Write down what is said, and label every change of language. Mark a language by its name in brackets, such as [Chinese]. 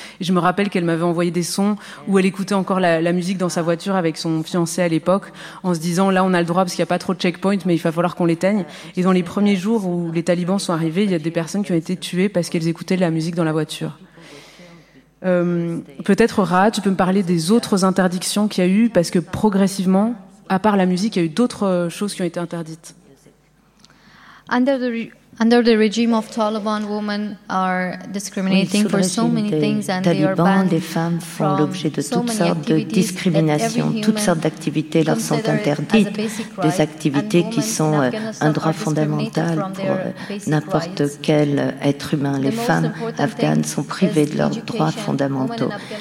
[French] Et je me rappelle qu'elle m'avait envoyé des sons où elle écoutait encore la musique dans sa voiture avec son fiancé à l'époque, en se disant, là, on a le droit parce qu'il n'y a pas trop de checkpoints, mais il va falloir qu'on l'éteigne. Et dans les premiers jours où les talibans sont arrivés, il y a des personnes qui ont été tuées parce qu'elles écoutaient la musique dans la voiture. Peut-être, Ra, tu peux me parler des autres interdictions qu'il y a eu, parce que progressivement, à part la musique, il y a eu d'autres choses qui ont été interdites. [English] Under the regime of Taliban, women are discriminating for so many things and they are banned. [French] Les femmes font l'objet de toutes sortes de discriminations, toutes sortes d'activités leur sont interdites, des activités qui sont un droit fondamental pour n'importe quel être humain. Les femmes afghanes sont privées de leurs droits fondamentaux.